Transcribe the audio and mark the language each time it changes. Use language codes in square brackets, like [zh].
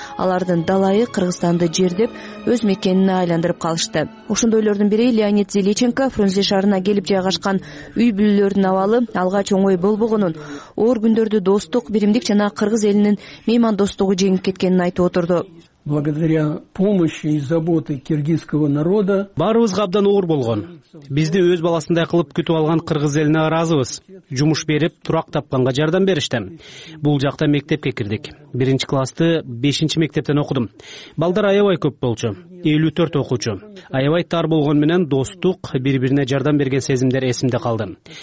[ky] Алардын далайы Кыргызстанды жердеп өз мекенине айландырып калышты. Ошондойлордун бири Леонид Зеличенко Фрунзе шаарына келип жайгашкан үй бүлөлөрдүн абалы алгач оңой болбогонун, оор күндөрдү достук, биримдик жана кыргыз элинин меймандостугу жеңип кеткенин айтып отурду. [ru] Благодаря помощи и заботе киргизского народа. [ky] Баарыбызга абдан оор болгон. Бизди өз баласындай кылып күтүп алган кыргыз элине ыраазыбыз. Жумуш берип, турак тапканга жардам беришти. Бул жакта мектепке кирдик. Биринчи классты 5-чи мектептен окудум. Балдар аябай көп болчу. 54 окуучу. Аябай тар болгон менен достук, бири бирине жардам берген сезимдер эсимде калды.